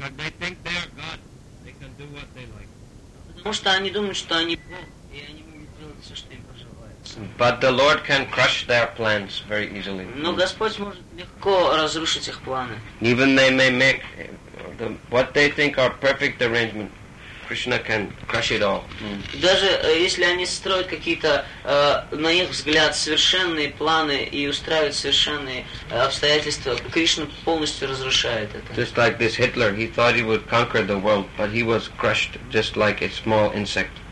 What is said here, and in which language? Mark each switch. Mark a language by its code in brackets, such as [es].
[en] Because they think they are God, they can do what they like. [ru] Потому что они думают, что они Бог, и они могут делать все, что им пожелают. [en] But the Lord can crush their plans very easily. [ru] Но Господь может легко разрушить их планы. [en] Even they may make what they think are perfect arrangement, Krishna can crush it all. [ru] Даже если они строят какие-то на их взгляд совершенные планы и устраивают совершенные обстоятельства, Кришна полностью разрушает это. [en] Just like this Hitler, he thought he would conquer the world, but he was crushed just like a small insect.